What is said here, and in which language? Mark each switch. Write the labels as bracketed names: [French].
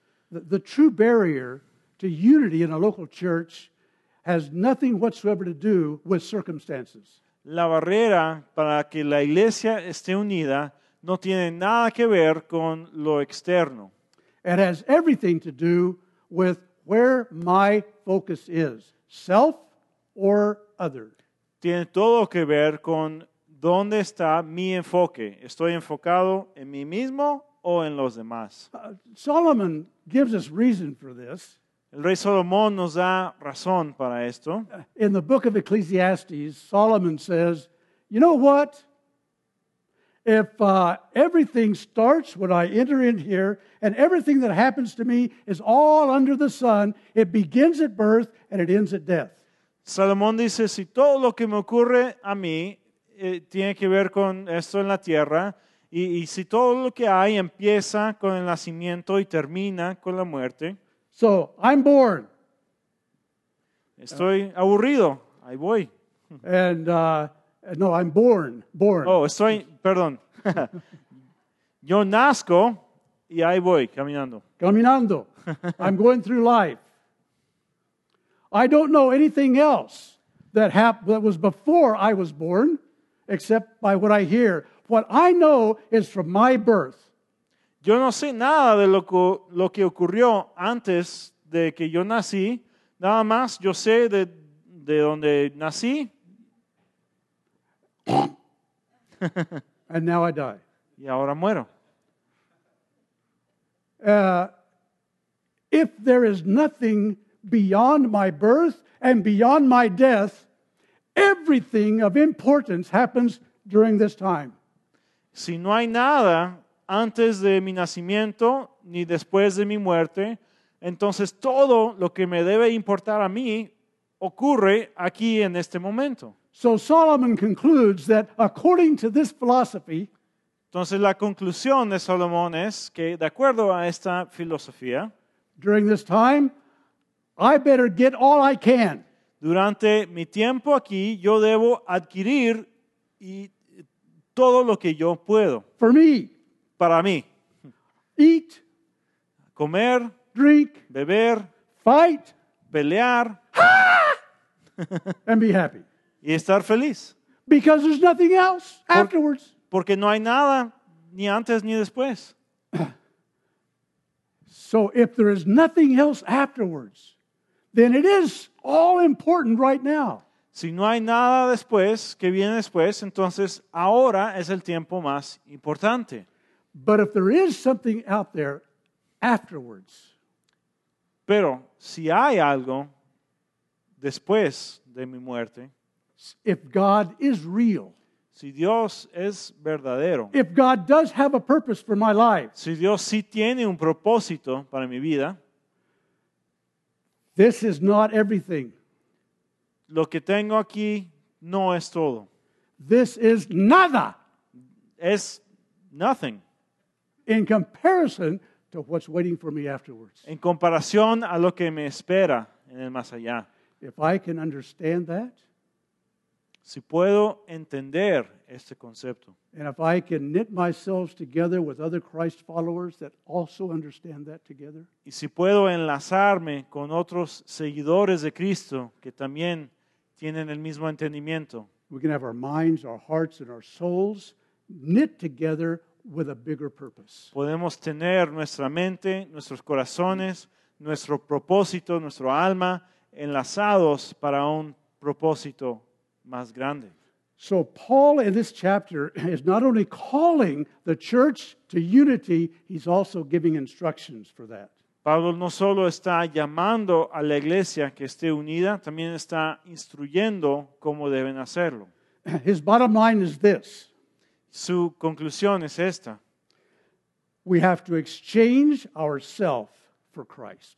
[English] The true barrier to unity in a local church has nothing whatsoever to do with circumstances. [Spanish] La barrera para que la iglesia esté unida no tiene nada que ver con lo externo. [English] It has everything to do with where my focus is, self or other. [Spanish] Tiene todo que ver con dónde está mi enfoque. ¿Estoy enfocado en mí mismo o en los demás? [English] Solomon gives us reason for this. [Spanish] El rey Salomón nos da razón para esto. [English] In the book of Ecclesiastes, Solomon says, you know what? If everything starts when I enter in here, and everything that happens to me is all under the sun, it begins at birth and it ends at death. [Spanish] Salomón dice, si todo lo que me ocurre a mí tiene que ver con esto en la tierra, y si todo lo que hay empieza con el nacimiento y termina con la muerte. [English] So, I'm born. [Spanish] Estoy aburrido. Ahí voy. [English] And no, I'm born. Born. [Spanish] Oh, estoy, perdón. Yo nazco y ahí voy, caminando. Caminando. [English] I'm going through life. I don't know anything else that was before I was born, except by what I hear. What I know is from my birth. [Spanish] Yo no sé nada de lo que ocurrió antes de que yo nací. Nada más yo sé de donde nací. [English] And now I die. [Spanish] Y ahora muero. [English] If there is nothing beyond my birth and beyond my death, everything of importance happens during this time. [Spanish] Si no hay nada antes de mi nacimiento ni después de mi muerte, entonces todo lo que me debe importar a mí ocurre aquí en este momento. [English] So Solomon concludes that according to this philosophy, [Spanish] entonces la conclusión de Salomón es que de acuerdo a esta filosofía, [English] during this time, I better get all I can. [Spanish] Durante mi tiempo aquí, yo debo adquirir y todo lo que yo puedo. [English] For me. [Spanish] Para mí. [English] Eat. [Spanish] Comer. [English] Drink. [Spanish] Beber. [English] Fight. [Spanish] Pelear. [English] Ha! And be happy. [Spanish] Y estar feliz. [English] Because there's nothing else afterwards. [Spanish] Porque no hay nada, ni antes ni después. [English] So if there is nothing else afterwards, then it is all important right now. [Spanish] Si no hay nada después, que viene después, entonces ahora es el tiempo más importante. [English] But if there is something out there afterwards, [Spanish] pero si hay algo después de mi muerte, [English] if God is real, [Spanish] si Dios es verdadero, [English] if God does have a purpose for my life, [Spanish] si Dios sí tiene un propósito para mi vida, [English] this is not everything. [Spanish] Lo que tengo aquí no es todo. [English] This is [Spanish] nada. Es [English] nothing. In comparison to what's waiting for me afterwards. [Spanish] En comparación a lo que me espera en el más allá. [English] If I can understand that, [Spanish] si puedo entender este concepto, [English] and if I can knit myself together with other Christ followers that also understand that together, [Spanish] y si puedo enlazarme con otros seguidores de Cristo que también tienen el mismo entendimiento, [English] we can have our minds, our hearts, and our souls knit together with a bigger purpose. [Spanish] Podemos tener nuestra mente, nuestros corazones, nuestro propósito, nuestro alma enlazados para un propósito más grande. [English] So Paul in this chapter is not only calling the church to unity, he's also giving instructions for that. [Spanish] Pablo no solo está llamando a la iglesia que esté unida, también está instruyendo cómo deben hacerlo. [English] His bottom line is this. [Spanish] Su conclusión es esta. [English] We have to exchange ourselves for Christ.